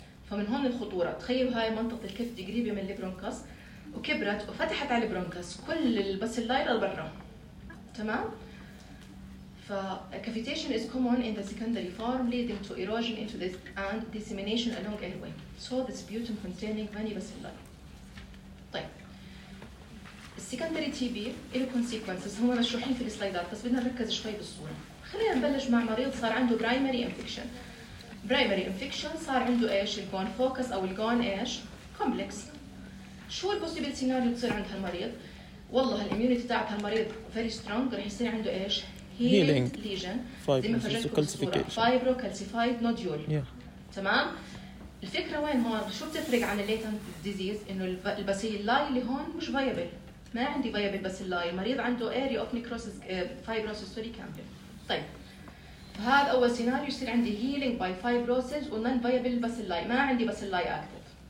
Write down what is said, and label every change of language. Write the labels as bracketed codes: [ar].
[ar] فمن هون الخطورة، تخيلوا هاي منطقة الكافيتي قريبة من البرونكاس وكبرت وفتحت على البرونكاس كل البس اللاي للبرا، تمام؟ فكافيتيشن [en] is common in the secondary form leading to erosion into this and dissemination along airway. So this sputum containing many bacilli. [ar] طيب السكندري تي بي له consequences هم مشروحين في السلايدات، بس بدنا نركز شوي بالصورة. خلينا نبلش مع مريض صار عنده primary infection. primary infection صار عنده ايش؟ gone focus او gone ايش؟ complex. شو البوسيبل سيناريو تصير عند هالمريض؟ والله الاميونيتي تاعت هالمريض very strong، رح يصير عنده ايش؟ [en] healing lesion fibrocalcification fibrocalcified nodule، تمام؟ [ar] الفكرة وين هون؟ شو بتفرق عن latent disease؟ إنه الباسيلاي اللي هون مش viable، ما عندي viable باسيلاي، المريض عنده area of necrosis fibrosis story كامل. طيب هذا أول سيناريو، يصير عندي healing by fibrosis و non viable باسيلاي، ما عندي باسيلاي active.